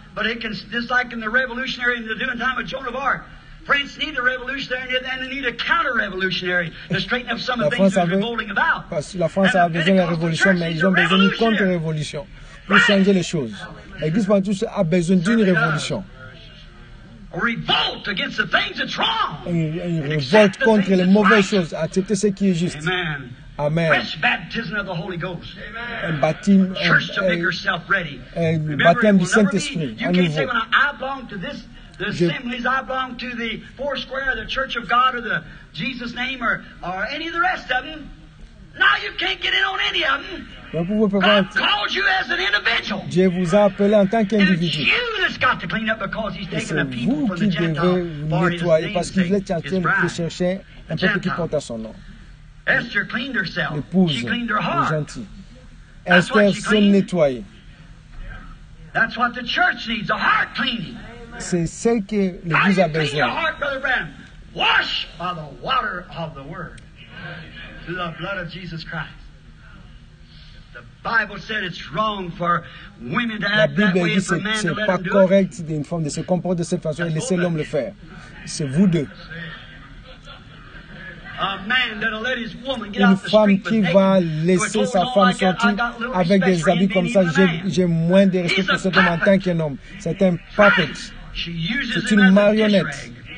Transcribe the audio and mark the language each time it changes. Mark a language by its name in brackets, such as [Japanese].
[English] But it can, just like in the revolutionary in the doing time of Joan of Arc. France need a revolutionary and they need a counter-revolutionary to straighten up some of the things they're revolting about. [French] La France a besoin de la révolution, mais ils ont besoin d'une contre-révolution pour changer les choses. L'Église pentecôtiste a besoin d'une révolution. [English] A revolt against the things that's wrong. [French] Une révolte contre les mauvaises choses. Accepter ce qui est juste. Amen. Amen. [English] Fresh baptism of the Holy Ghost. [French] Un baptême. [English] Church to make herself ready. [French] Un baptême du Saint-Esprit. [English] You can't say when I belong to this. The assemblies I belong to, the four square, the Church of God, or the Jesus name, or any of the rest of them. Now you can't get in on any of them. [French] Vous pouvez pas God [English] called you as an individual. [French] Dieu vous a appelé en tant qu'individu. [English] It's you that's got to clean up because he's taking a people from the Gentile. [French] Et c'est vous qui devez nettoyer parce qu'il est cherché un peuple qui porte à son nom. [English] Esther cleaned herself. [French] L'épouse, [English] she cleaned her heart. [French] Gentil. Esther s'est nettoyée. [English] That's what the church needs, a heart cleaning. [French] C'est ce que l'Église a besoin. [English] Clean your heart, Brother Branham. Wash by the water of the Word. Through the blood of Jesus Christ. The Bible said it's wrong for women to act that way and for men to let them do it. [French] Pas correct d'une femme de se comporter de cette façon et laisser l'homme le faire. C'est vous deux. [English] A man that'll let his woman get [French] une [English] out [French] femme [English] the street [French] qui va laisser sa femme sortir avec des habits comme ça, j'ai moins de respect pour cette femme en tant qu'un homme. C'est un puppet. C'est une marionnette.